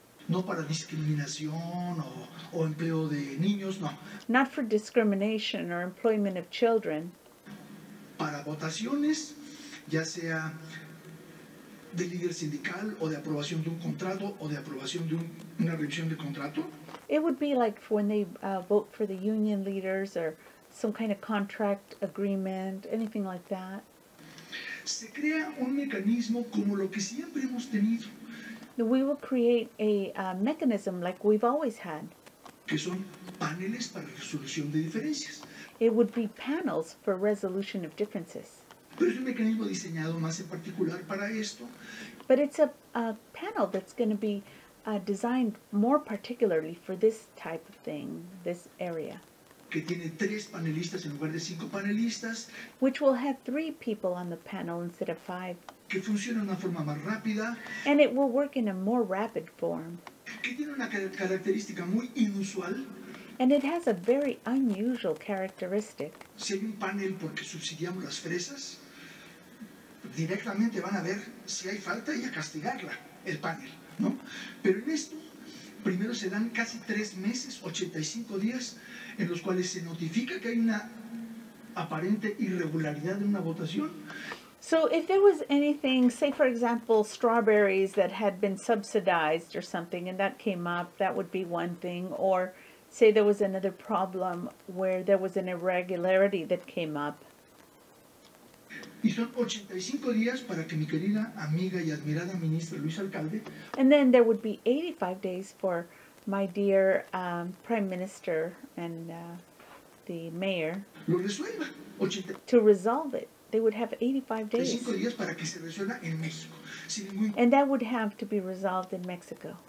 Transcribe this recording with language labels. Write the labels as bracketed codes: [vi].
[es] No para discriminación o empleo de niños, no. [en] Not for discrimination or employment of children. [es] Para votaciones, ya sea de líder sindical o de aprobación de un contrato o de aprobación de una revisión de contrato. [en] It would be like when they vote for the union leaders or some kind of contract agreement, anything like that. [es] Se crea un mecanismo como lo que siempre hemos tenido. [en] We will create a mechanism like we've always had. [es] Que son paneles para resolución de diferencias. [en] It would be panels for resolution of differences. [es] Pero es un mecanismo diseñado más en particular para esto. [en] But it's a panel that's going to be designed more particularly for this type of thing, this area. [es] Que tiene tres panelistas en lugar de cinco panelistas. [en] Which will have three people on the panel instead of five. [es] Que funciona de una forma más rápida. [en] And it will work in a more rapid form. [es] Que tiene una característica muy inusual. [en] And it has a very unusual characteristic. [es] Si hay un panel porque subsidiamos las fresas, directamente van a ver si hay falta y a castigarla, el panel, ¿no? Pero en esto, primero se dan casi tres meses, 85 días, en los cuales se notifica que hay una aparente irregularidad en una votación. [en] So if there was anything, say for example, strawberries that had been subsidized or something and that came up, that would be one thing. Or say there was another problem where there was an irregularity that came up. [es] Y son 85 días para que mi querida amiga y admirada ministra Luisa Alcalde. [en] And then there would be 85 days for my dear Prime Minister and the mayor [es] lo resuelva. [en] To resolve it. They would have 85 days. [es] 35 días para que se resuelva en México. Sin ningún... [en] And that would have to be resolved in Mexico.